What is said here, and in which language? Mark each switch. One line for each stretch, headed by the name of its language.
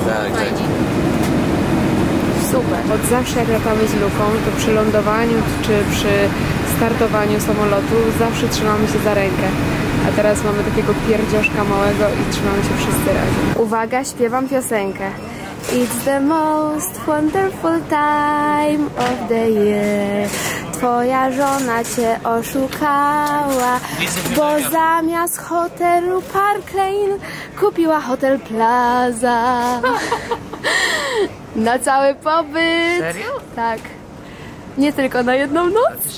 Polish: Tak, tak. Super. Od zawsze jak latamy z Luką, to przy lądowaniu czy przy startowaniu samolotu zawsze trzymamy się za rękę. A teraz mamy takiego pierdziążka małego i trzymamy się wszyscy razem. Uwaga, śpiewam piosenkę.
English: It's the most wonderful time of the year.
Polish: Twoja żona cię oszukała, bo zamiast hotelu Park Lane kupiła hotel Plaza. Na cały pobyt. Serio? Tak. Nie tylko na jedną noc.